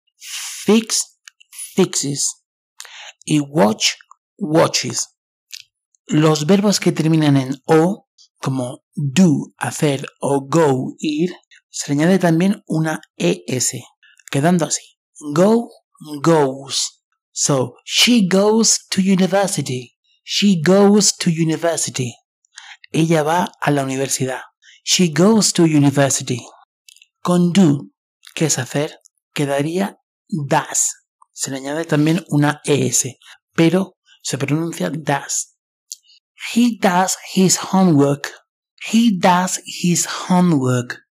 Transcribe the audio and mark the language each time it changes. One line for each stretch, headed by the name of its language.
English: Fix, fixes. Y watch, watches.
Spanish: Los verbos que terminan en O, como do, hacer, o go, ir, se le añade también una ES, quedando así.
English: Go, goes. So, she goes to university. She goes to university.
Spanish: Ella va a la universidad.
English: She goes to university.
Spanish: Con do, que es hacer, quedaría does. Se le añade también una ES, pero se pronuncia does.
English: He does his homework. He does his homework.